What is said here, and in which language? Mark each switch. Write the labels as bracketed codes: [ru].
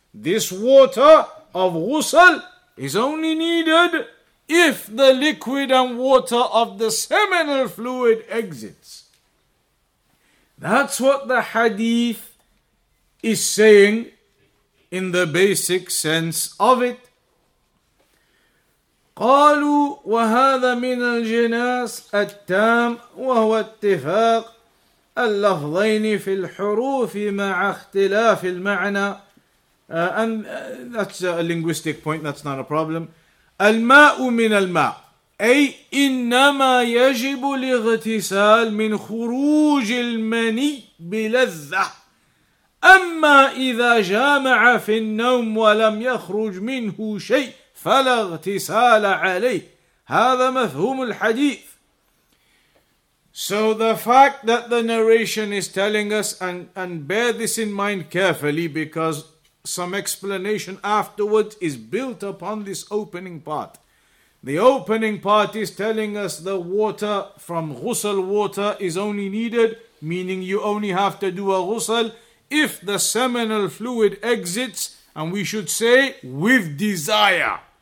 [en] This water of ghusl is only needed if the liquid and water of the seminal fluid exits. That's what the hadith is saying in the basic sense of it. [ar] قالوا وهذا من الجناس التام وهو اتفاق اللفظين في الحروف مع اختلاف المعنى. [en] And that's a linguistic point, that's not a problem. [ar] الماء من الماء أي إنما يجب الاغتسال من خروج المني بلذة أما إذا جامع في النوم ولم يخرج منه شيء فلا اغتسال عليه. هذا مفهوم الحديث. [en] So the fact that the narration is telling us, and bear this in mind carefully, because some explanation afterwards is built upon this opening part. The opening part is telling us the water from ghusl water is only needed, meaning you only have to do a ghusl if the seminal fluid exits, and we should say with desire.